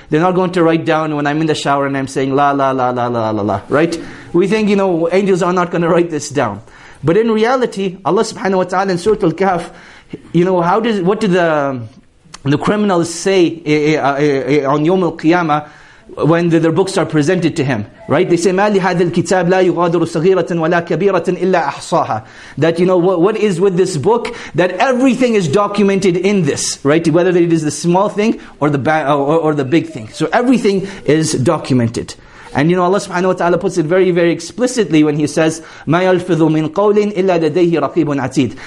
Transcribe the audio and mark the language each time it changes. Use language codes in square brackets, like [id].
[en] They're not going to write down when I'm in the shower and I'm saying, la la la la la la la, right? We think, you know, angels are not going to write this down. But in reality, Allah subhanahu wa ta'ala in Surah Al-Kahf, you know, what do the criminals say on Yawm Al-Qiyamah when their books are presented to him, right? They say, [ar] مَالِ هَذَا الْكِتَابِ لَا يُغَادِرُ صَغِيرَةً وَلَا كَبِيرَةً إِلَّا أَحْصَاهَا. [en] That, you know, what is with this book? That everything is documented in this, right? Whether it is the small thing or the big thing. So everything is documented. And you know, Allah subhanahu wa ta'ala puts it very, very explicitly when He says, [ar] مَا يَلْفِذُ مِنْ قَوْلٍ إِلَّا لَدَيْهِ رَقِيبٌ عَتِيدٌ.